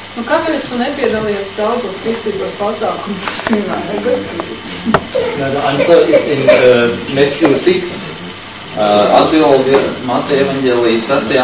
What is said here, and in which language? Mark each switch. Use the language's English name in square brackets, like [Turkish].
[Latvian] Nu kāpēc tu nepiedalījies daudzos kristīgos pasākumus? [English] The answer is in Matthew 6. [Latvian] Atbildi ir Mateja evaņģēlijas 6.